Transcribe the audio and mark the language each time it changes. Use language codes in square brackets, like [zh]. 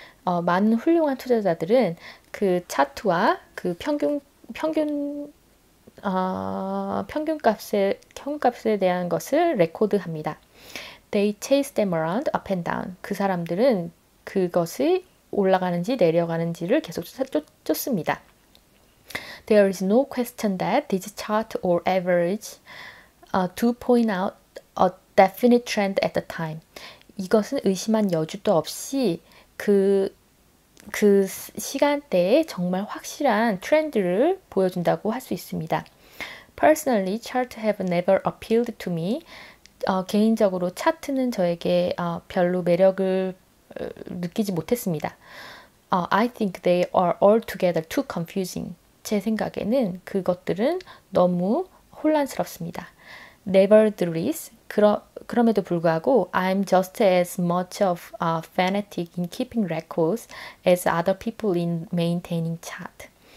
[ko] 많은 훌륭한 투자자들은 그 차트와 그 평균값에 대한 것을 레코드합니다. [en] They chase them around up and down. [ko] 그 사람들은 그것이 올라가는지 내려가는지를 계속 쫓습니다. [en] There is no question that this chart or average do point out a definite trend at the time. [ko] 이것은 의심한 여지도 없이 그 시간대에 정말 확실한 트렌드를 보여준다고 할수 있습니다. [en] Personally, charts have never appealed to me. [ko] 개인적으로 차트는 저에게 별로 매력을 느끼지 못했습니다. [en] I think they are altogether too confusing. [ko] 제 생각에는 그것들은 너무 혼란스럽습니다. [en] Nevertheless, [ko] 그럼에도 불구하고 [en] I'm just as much of a fanatic in keeping records as other people in maintaining chart.